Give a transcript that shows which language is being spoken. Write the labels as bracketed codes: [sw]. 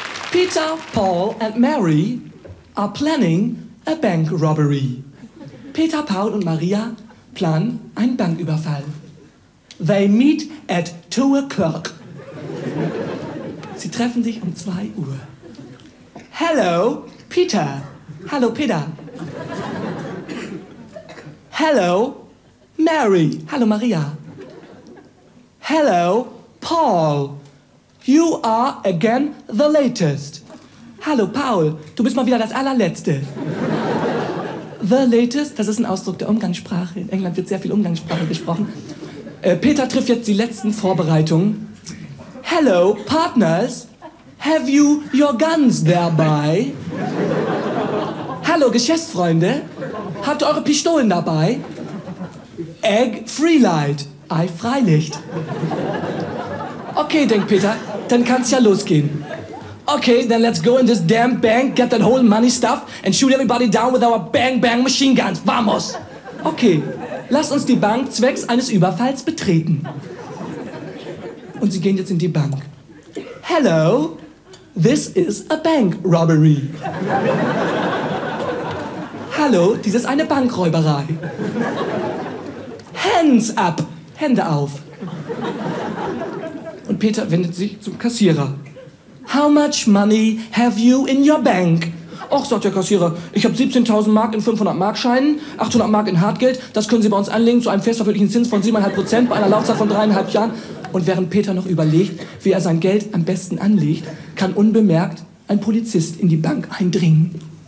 [en] Peter, Paul and Mary are planning a bank robbery. [de] Peter, Paul und Maria planen einen Banküberfall. [en] They meet at 2 o'clock. [de] Sie treffen sich um 2 Uhr. [en] Hello, Peter. [de] Hallo, Peter. [en] Hello, Mary. [de] Hallo, Maria. [en] Hello, Paul. You are again the latest. [de] Hallo, Paul. Du bist mal wieder das Allerletzte. [en] The latest, [de] das ist ein Ausdruck der Umgangssprache. In England wird sehr viel Umgangssprache gesprochen. Peter trifft jetzt die letzten Vorbereitungen. [en] Hello, partners. Have you your guns thereby? [de] Hallo, Geschäftsfreunde. Habt ihr eure Pistolen dabei? [en] Egg Freelight. [de] Ei Freilicht. Okay, denkt Peter, dann kann's ja losgehen. [en] Okay, then let's go in this damn bank, get that whole money stuff and shoot everybody down with our bang bang machine guns. [es] Vamos! [de] Okay, lass uns die Bank zwecks eines Überfalls betreten. Und sie gehen jetzt in die Bank. [en] Hello, this is a bank robbery. [de] Hallo, dies ist eine Bankräuberei. [en] Hands up! [de] Hände auf! Und Peter wendet sich zum Kassierer. [en] How much money have you in your bank? [de] Och, sagt der Kassierer, ich habe 17.000 Mark in 500-Mark-Scheinen, 800 Mark in Hartgeld, das können Sie bei uns anlegen zu einem festverbindlichen Zins von 7,5% bei einer Laufzeit von 3,5 Jahren. Und während Peter noch überlegt, wie er sein Geld am besten anlegt, kann unbemerkt ein Polizist in die Bank eindringen.